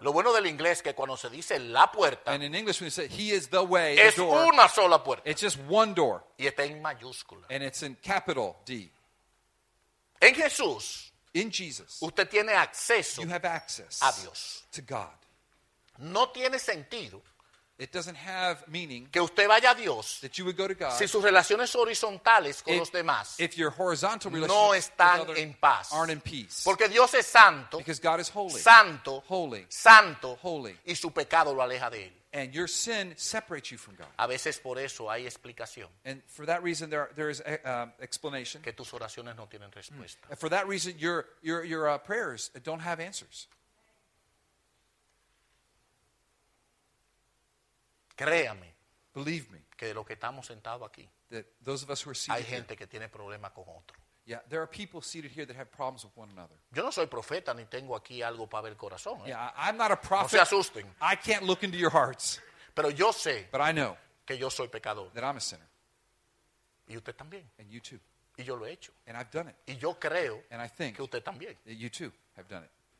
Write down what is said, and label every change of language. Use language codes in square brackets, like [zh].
[es] Lo bueno del inglés es que cuando se dice la puerta. [en] And in English when you say he is the way, [es] es [en] the door. [es] Es una sola puerta. [en] It's just one door. [es] Y está en mayúscula. [en] And it's in capital D. [es] En Jesús. [en] In Jesus. [es] Usted tiene acceso. [en] You have access. [es] A Dios. [en] To God. [es] No tiene sentido. [en] It doesn't have meaning [es] que usted vaya a Dios, [en] that you would go to God [es] si sus relaciones horizontales con los demás, [en] if your horizontal relationships no aren't in peace. [es] Porque Dios es santo, [en] because God is holy. [es] Santo, [en] holy. [es] Santo, [en] holy. [es] Y su pecado lo aleja de él. [en] And your sin separates you from God. [es] A veces por eso hay explicación. [en] And for that reason, there is explanation. [es] Que tus oraciones no tienen respuesta. [en] And for that reason, your prayers don't have answers. [es] Créame, [en] believe me, [es] que de lo que estamos sentados aquí, [en] that those of us who are seated [es] hay gente [en] here, [es] que tiene problemas con otro. [en] Yeah, there are people seated here that have problems with one another. [es] Yo no soy profeta ni tengo aquí algo para ver el corazón. [en] Yeah, I'm not a prophet. [es] No se asusten. [en] I can't look into your hearts. [es] Pero yo sé, [en] but I know, [es] que yo soy pecador. [en] That I'm a sinner. [es] Y usted también. [en] And you too. [es] Y yo lo he hecho. [en] And I've done it. [es] Y yo creo, [en] and I think, [es] que usted también. [en] That you too have done it.